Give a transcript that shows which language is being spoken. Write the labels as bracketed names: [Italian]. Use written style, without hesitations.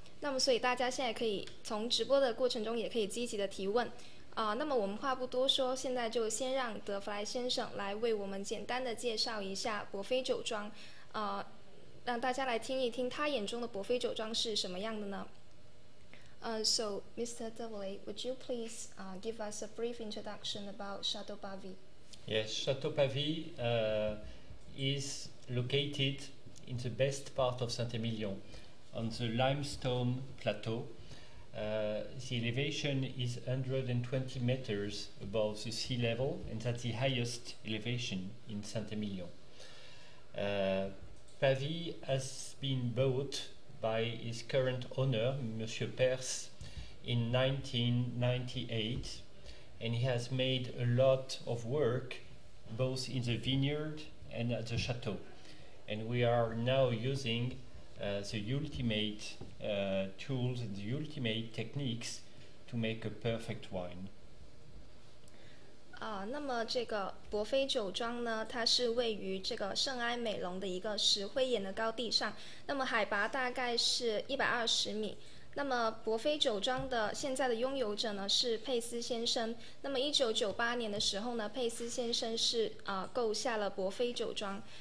[Chinese] 那么所以大家现在可以从直播的过程中也可以积极的提问。那么我们话不多说，现在就先让德弗莱先生来为我们简单的介绍一下伯菲酒庄，让大家来听一听他眼中的伯菲酒庄是什么样的呢？ [English] So, Mr. Devlay, would you please give us a brief introduction about Chateau Pavie? Yes, Chateau Pavie is located in the best part of Saint-Emilion, on the limestone plateau. The elevation is 120 meters above the sea level, and that's the highest elevation in Saint-Emilion. Pavie has been bought by his current owner, Monsieur Perse, in 1998, and he has made a lot of work both in the vineyard and at the chateau. And we are now using the ultimate tools and the ultimate techniques to make a perfect wine. [Chinese] 那么这个伯菲酒庄呢，它是位于这个圣埃美隆的一个石灰岩的高地上，那么海拔大概是120米。那么伯菲酒庄的现在的拥有者呢是佩斯先生，那么1998年的时候呢，佩斯先生是购下了伯菲酒庄。